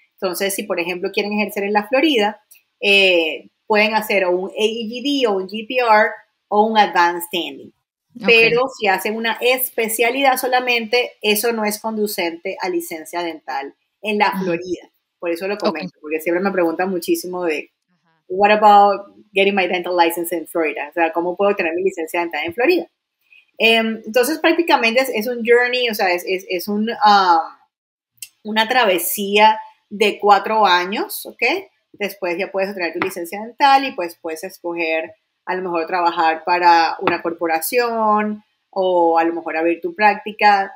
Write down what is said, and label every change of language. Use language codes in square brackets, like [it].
[es] Entonces, si, por ejemplo, quieren ejercer en la Florida, pueden hacer o un AEGD o un GPR o un Advanced Standing. Okay. Pero si hacen una especialidad solamente, eso no es conducente a licencia dental en la Florida. Por eso lo comento, okay. Porque siempre me preguntan muchísimo de... [en] What about getting my dental license in Florida? [es] O sea, ¿cómo puedo tener mi licencia dental en Florida? Entonces, prácticamente es un journey, o sea, es un una travesía de 4 años, ¿ok? Después ya puedes obtener tu licencia dental y pues puedes escoger a lo mejor trabajar para una corporación o a lo mejor abrir tu práctica.